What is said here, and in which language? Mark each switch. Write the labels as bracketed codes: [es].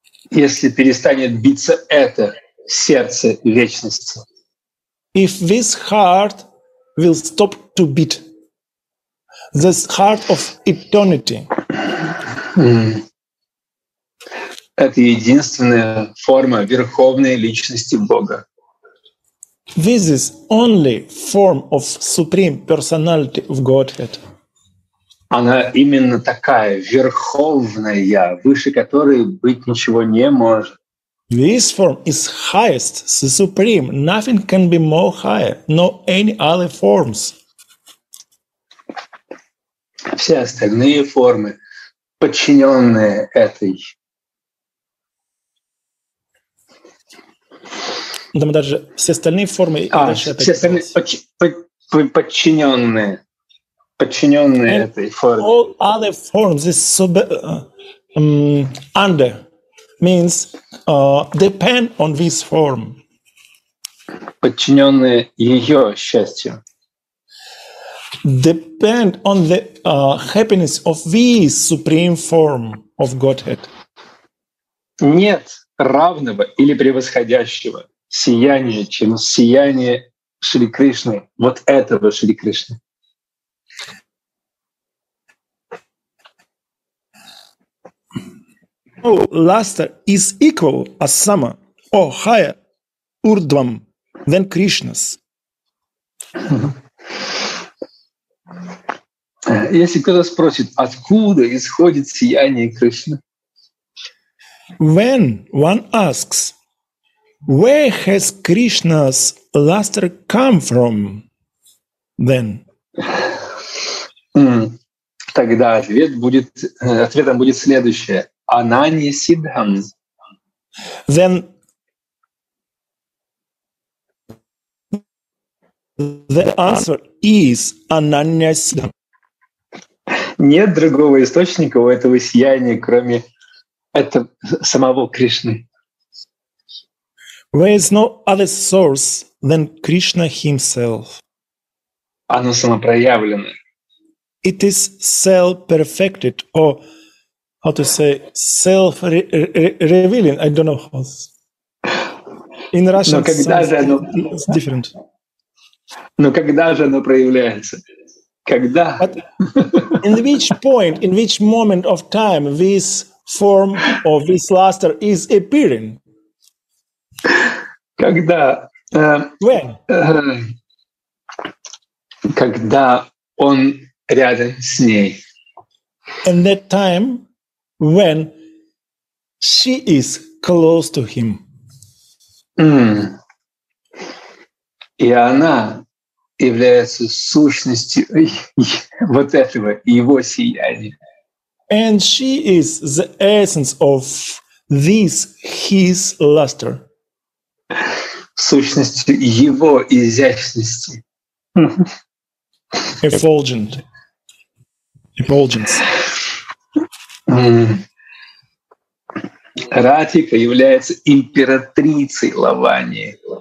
[ru] Если перестанет биться это сердце вечности. [en] If this heart will stop to beat, this heart of eternity. [ru] Это единственная форма верховной личности Бога. [en] This is only form of supreme personality of Godhead. [ru] Она именно такая, верховная, выше которой быть ничего не может. [en] This form is highest, the supreme. Nothing can be more higher, nor any other forms. [ru] Все остальные формы, подчиненные этой. Да, мы даже все остальные формы. А, все остальные подчиненные. Подчиненные [en] and [ru] этой форме. [en] All other forms is under means depend on this form. [ru] Подчиненные ее счастью. [en] Depend on the happiness of this supreme form of Godhead. [ru] Нет равного или превосходящего сияния, чем сияние Шри Кришны, вот этого Шри Кришны. [en] Oh, luster is equal as sama or higher urdvam than Krishna's. [ru] Если кто-то спросит, откуда исходит сияние Кришны? [en] When one asks, where has Krishna's luster come from, then? [ru] Тогда ответ будет, ответом будет следующее. Ананья Сиддхам. [en] Then the answer is Ананья Сиддхам. [ru] Нет другого источника у этого сияния, кроме этого самого Кришны. [en] There is no other source than Krishna himself. [ru] Оно самопроявлено. [en] It is self-perfected, or how to say, self-revealing, I don't know how. In Russian, it's different. [ru] Но когда же оно проявляется? Когда? [en] But in which point, in which moment of time this form or this luster is appearing? [ru] Когда? [en] When? [ru] Когда он рядом с ней. [en] In that time, when she is close to him. [ru] И она является сущностью вот этого, его сияния. [en] And she is the essence of this, his luster. [ru] Сущностью его изящности. [en] Effulgent. Effulgence. [ru] Радхика является императрицей Лавани.